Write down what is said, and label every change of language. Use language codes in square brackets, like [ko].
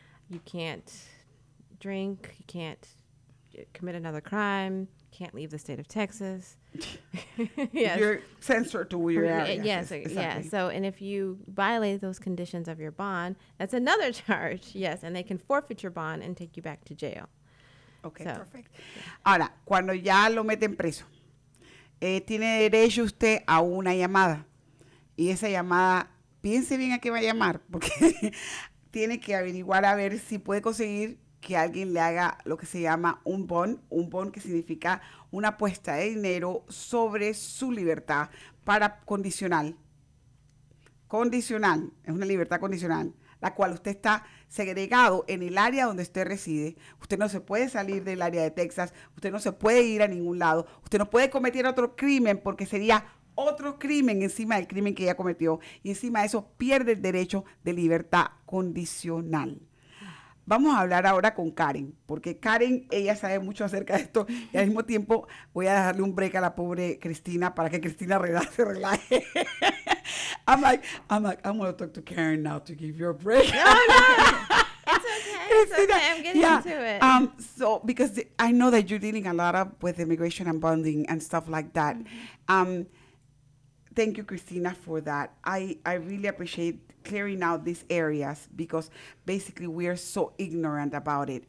[en] You can't drink. You can't commit another crime, can't leave the state of Texas. Yes. You're censored to where you're at. Yes, exactly. So, and if you violate those conditions of your bond, that's another charge, yes, and they can forfeit your bond and take you back to jail. Okay, so, perfect. Yeah. [es] Ahora, cuando ya lo meten preso, tiene derecho usted a una llamada. Y esa llamada, piense bien a qué va a llamar, porque tiene que averiguar a ver si puede conseguir que alguien le haga lo que se llama un bond que significa una apuesta de dinero sobre su libertad para condicional, es una libertad condicional, la cual usted está segregado en el área donde usted reside, usted no se puede salir del área de Texas, usted no se puede ir a ningún lado, usted no puede cometer otro crimen porque sería otro crimen encima del crimen que ya cometió, y encima de eso pierde el derecho de libertad condicional. Vamos a hablar ahora con Karen, porque Karen, ella sabe mucho acerca de esto, y al mismo tiempo voy a dejarle un break a la pobre Cristina para que Cristina se relaje. [en] I'm like, I'm going to talk to Karen now to give you a break. No, it's okay, Cristina, it's okay, I'm getting into it. Because I know that you're dealing a lot with immigration and bonding and stuff like that. Mm-hmm. Thank you, Cristina, for that. I really appreciate clearing out these areas because basically we are so ignorant about it.